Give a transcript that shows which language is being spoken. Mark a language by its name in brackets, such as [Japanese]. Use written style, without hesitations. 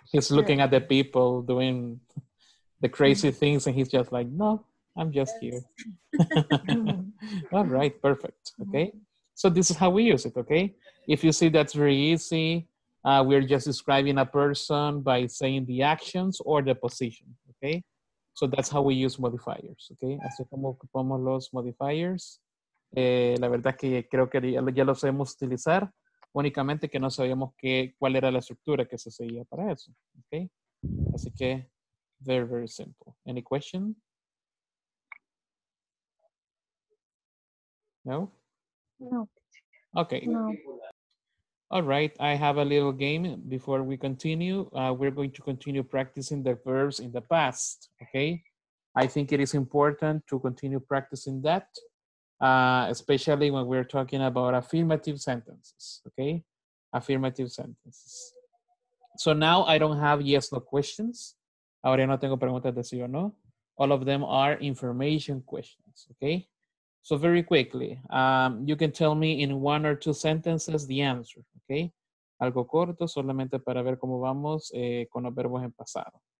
[English] He's looking at the people doing the crazy things, and he's just like, no, I'm just here. All right, perfect. Okay. So this is how we use it, okay? If you see that's very easy, we're just describing a person by saying the actions or the position, okay? So that's how we use modifiers, okay? [Spanish] Así como ocupamos los modifiers. La verdad que creo que ya los sabemos utilizar, únicamente que no sabíamos que, cuál era la estructura que se seguía para eso, okay? Así que, [English] very, very simple. Any question? No? No. Okay. No. All right, I have a little game before we continue. We're going to continue practicing the verbs in the past, okay? I think it is important to continue practicing that, especially when we're talking about affirmative sentences, okay? Affirmative sentences. So now I don't have yes, no questions. [Spanish] Ahora no tengo preguntas de sí o no. [English] All of them are information questions, okay? So very quickly, you can tell me in one or two sentences the answer, okay? [Spanish] Algo corto, solamente para ver cómo vamos con los verbos en pasado.